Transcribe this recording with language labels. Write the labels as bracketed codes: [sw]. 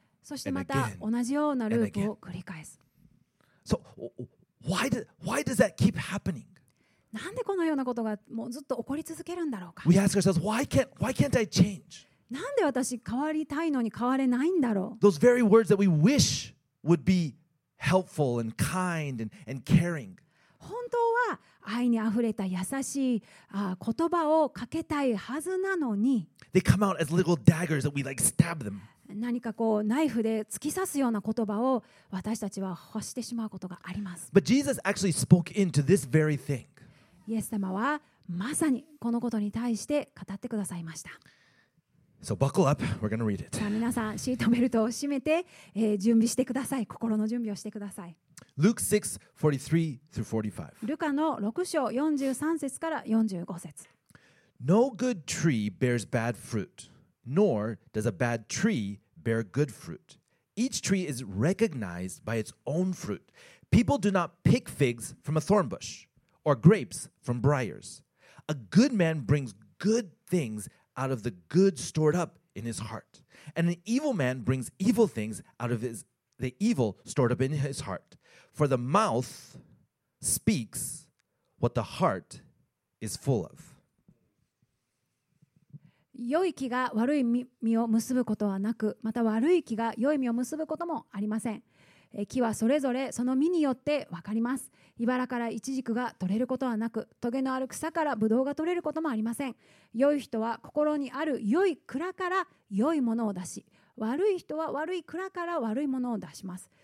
[ja] そしてまた同じようなループを繰り返す。 [en] So why does that keep happening? [ja] なんでこのようなことがもうずっと起こり続けるんだろうか。 [en] We ask ourselves, why can't I change? [ja] なんで私変わりたいのに変われないんだろう。 [en] Those very words that we wish would be helpful and kind and caring. [ja] 本当は愛にあふれた優しい言葉をかけたいはずなのに。 [en] They come out as little daggers that we like stab them. [ja] 何かこうナイフで突き刺すような言葉を私たちは欲してしまうことがあります。 [en] But Jesus actually spoke into this very thing. [ja] イエス様はまさにこのことに対して語ってくださいました。 [en] So buckle up, we're gonna read it. [ja] さあ皆さんシートベルトを締めて、準備してください。心の準備をしてください。 [en] Luke 6:43-45. [ja] ルカの6章43節から45節。 [en] No good tree bears bad fruit, nor does a bad tree bear good fruit. Each tree is recognized by its own fruit. People do not pick figs from a thorn bush. Or grapes from briars. A good man brings good things out of the good stored up in his heart. And an evil man brings evil things out of the evil stored up in his heart. For the mouth speaks what the heart is full of. [ja] 良い木が悪い実を結ぶことはなく、また悪い木が良い実を結ぶこともありません。木はそれぞれその実によって分かります。茨からイチジクが取れることはなく、トゲのある草からブドウが取れることもありません。良い人は心にある良い蔵から良いものを出し、悪い人は悪い蔵から悪いものを出します。